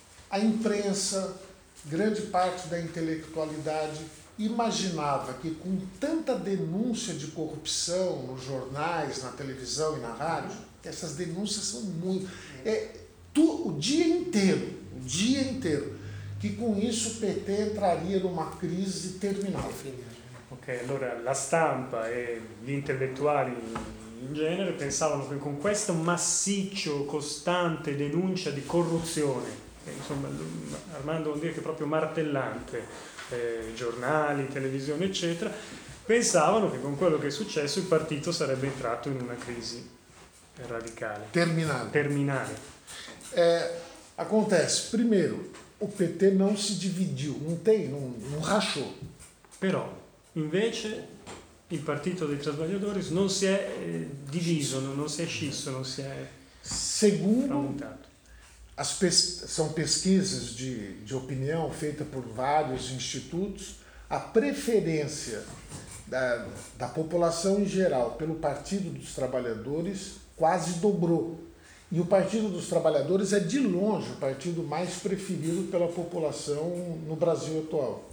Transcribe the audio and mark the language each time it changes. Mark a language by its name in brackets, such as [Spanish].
[Portuguese] A imprensa, grande parte da intelectualidade, imaginava que com tanta denúncia de corrupção nos jornais, na televisão e na rádio, essas denúncias são muito... O dia inteiro, que com isso o PT entraria numa crise terminal. [Italian] Ok, allora la stampa e gli intellettuali in genere pensavano che con questo massiccio, costante denuncia di corruzione, insomma, Armando vuol dire che è proprio martellante, giornali, televisione, eccetera, pensavano che con quello che è successo il partito sarebbe entrato in una crisi radicale. [Portuguese] Terminale. Acontece, primeiro, o PT [Italian] non si [Portuguese] dividiu, non rachou. [Italian] Però, invece, il Partito dei Trabalhadores non si è diviso, non si è scisso, non si è tramutato. [Portuguese] São pesquisas de opinião feitas por vários institutos. A preferência da população em geral pelo Partido dos Trabalhadores quase dobrou. E o Partido dos Trabalhadores é de longe o partido mais preferido pela população no Brasil atual.